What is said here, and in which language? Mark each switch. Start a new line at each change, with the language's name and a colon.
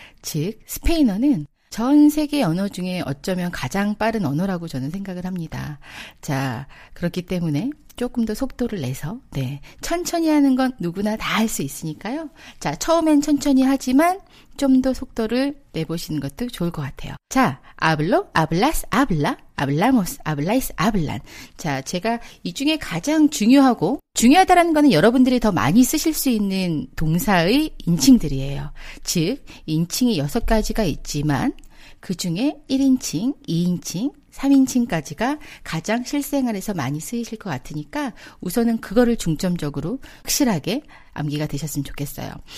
Korean: 즉, 스페인어는 전 세계 언어 중에 어쩌면 가장 빠른 언어라고 저는 생각을 합니다. 자, 그렇기 때문에 조금 더 속도를 내서, 네, 천천히 하는 건 누구나 다 할 수 있으니까요. 자, 처음엔 천천히 하지만 좀 더 속도를 내보시는 것도 좋을 것 같아요.
Spanish: 자, hablo, hablas, habla, hablamos, habláis, hablan.
Korean: 자, 제가 이 중에 가장 중요하고 중요하다라는 거는 여러분들이 더 많이 쓰실 수 있는 동사의 인칭들이에요. 즉, 인칭이 6가지가 있지만 그 중에 1인칭, 2인칭, 3인칭까지가 가장 실생활에서 많이 쓰이실 것 같으니까 우선은 그거를 중점적으로 확실하게 암기가 되셨으면 좋겠어요.